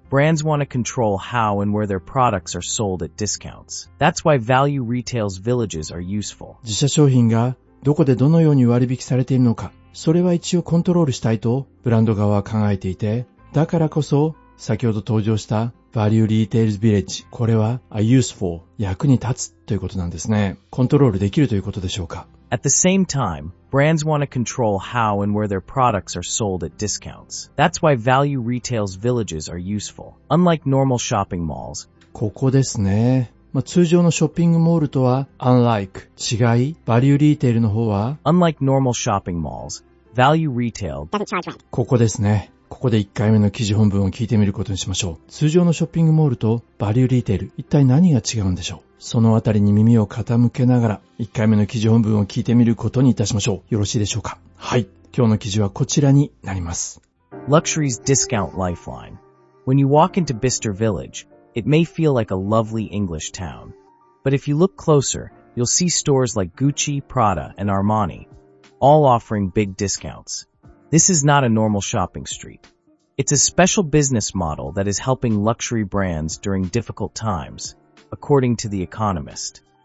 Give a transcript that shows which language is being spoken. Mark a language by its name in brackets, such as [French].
[English] Brands want to control how and where their products are sold at discounts. That's why value retail's villages are useful. [Japanese] 自社商品がどこでどのように割引されているのか、それは一応コントロールしたいとブランド側は考えていて、だからこそ先ほど登場したValue Retail's Village. これは [English] are useful [Japanese] 役に立つということなんですね。コントロールできるということでしょうか。 [English] At the same time, brands want to control how and where their products are sold at discounts. That's why Value Retail's Villages are useful. Unlike normal shopping malls. [Japanese] ここですね。まあ、通常のショッピングモールとは [English] unlike [Japanese] 違い。 Value Retail の方は [English] unlike normal shopping malls, Value Retail doesn't charge rent. [Japanese] ここですね。ここで1回目の記事本文を聞いてみることにしましょう。通常のショッピングモールとバリューリテール、一体何が違うんでしょう。そのあたりに耳を傾けながら1回目の記事本文を聞いてみることにいたしましょう。よろしいでしょうか。はい、今日の記事はこちらになります。 [English] Luxury's discount lifeline. When you walk into Bicester Village, it may feel like a lovely English town. But if you look closer, you'll see stores like Gucci, Prada and Armani, all offering big discounts. This is not a normal shopping street. It's a special business model that is helping luxury brands during difficult times, according to The Economist.